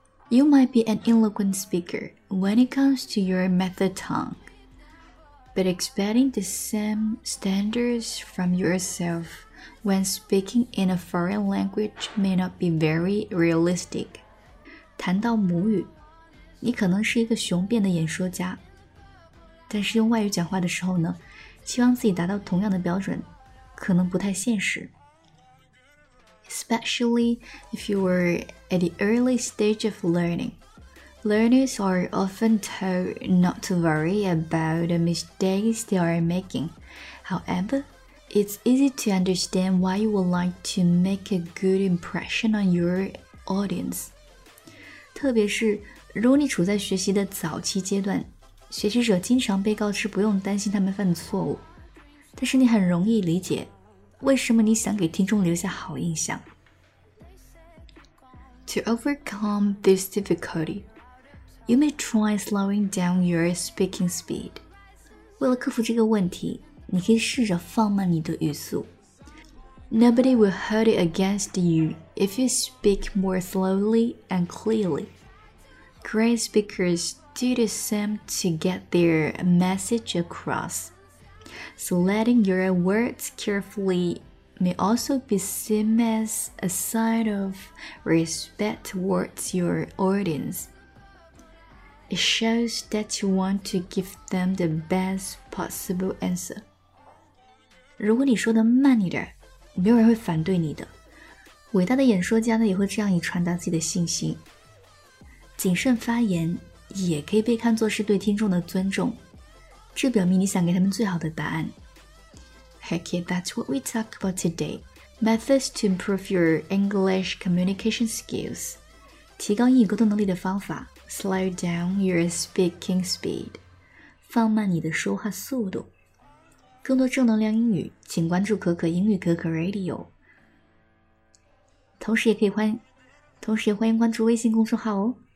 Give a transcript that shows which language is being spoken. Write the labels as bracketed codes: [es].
[en] You might be an eloquent speaker when it comes to your method tongue, but expecting the same standards from yourself when speaking in a foreign language may not be very realistic. [zh] 谈到母语，你可能是一个雄辩的演说家，但是用外语讲话的时候呢，期望自己达到同样的标准，可能不太现实。 [en] Especially if you were at the early stage of learning. Learners are often told not to worry about the mistakes they are making. However, it's easy to understand why you would like to make a good impression on your audience. [zh] 特别是如果你处在学习的早期阶段，学习者经常被告知不用担心他们犯的错误，但是你很容易理解为什么你想给听众留下好印象。 [en] To overcome this difficulty, you may try slowing down your speaking speed. [zh] 为了克服这个问题，你可以试着放慢你的语速。 [en] Nobody will hold it against you if you speak more slowly and clearly. Great speakers do the same to get their message across. Selecting your words carefully may also be seen as a sign of respect towards your audience. It shows that you want to give them the best possible answer. [zh] 如果你说的慢一点，没有人会反对你的。伟大的演说家呢，也会这样以传达自己的信心。谨慎发言也可以被看作是对听众的尊重。这表明你想给他们最好的答案。 [en] Heck yeah, that's what we talk about today. Methods to improve your English communication skills. [zh] 提高英语沟通能力的方法。 [en] Slow down your speaking speed. [zh] 放慢你的说话速度。更多正能量英语，请关注可可英语可可 Radio。同时也欢迎关注微信公众号哦。